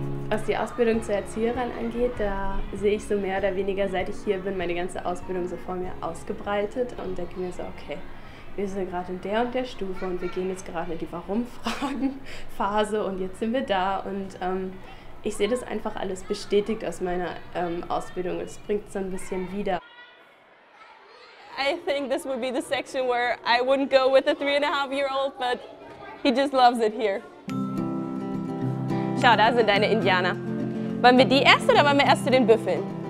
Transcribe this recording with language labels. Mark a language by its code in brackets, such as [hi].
[de] Was die Ausbildung zur Erzieherin angeht, da sehe ich so mehr oder weniger, seit ich hier bin, meine ganze Ausbildung so vor mir ausgebreitet und denke mir so, okay, wir sind gerade in der und der Stufe und wir gehen jetzt gerade in die Warum-Fragen-Phase und jetzt sind wir da und ich sehe das einfach alles bestätigt aus meiner Ausbildung. Es bringt so ein bisschen wieder. [en] I think this would be the section where I wouldn't go with a 3.5-year-old, but he just loves it here. [de] Schau, da sind deine Indianer. Wollen wir die erst oder wollen wir erst zu den Büffeln?